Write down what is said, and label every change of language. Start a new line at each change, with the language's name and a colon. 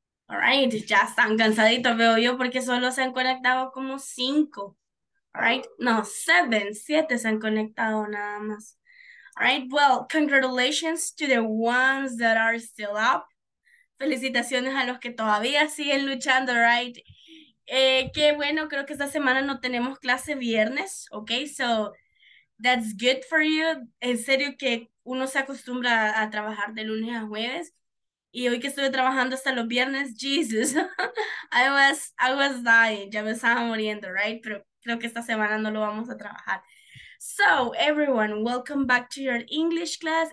English: All right,
Spanish: ya están cansaditos, veo yo, porque solo se han conectado como cinco.
English: All right,
Spanish: no, seven, siete se han conectado nada más.
English: All right, well, congratulations to the ones that are still up.
Spanish: Felicitaciones a los que todavía siguen luchando,
English: right?
Spanish: Qué bueno, creo que esta semana no tenemos clase viernes, okay?
English: So, that's good for you.
Spanish: En serio que uno se acostumbra a trabajar de lunes a jueves. Y hoy que estuve trabajando hasta los viernes, Jesus.
English: I was dying,
Spanish: ya me estaba muriendo, right? Pero creo que esta semana no lo vamos a trabajar.
English: So, everyone, welcome back to your English class.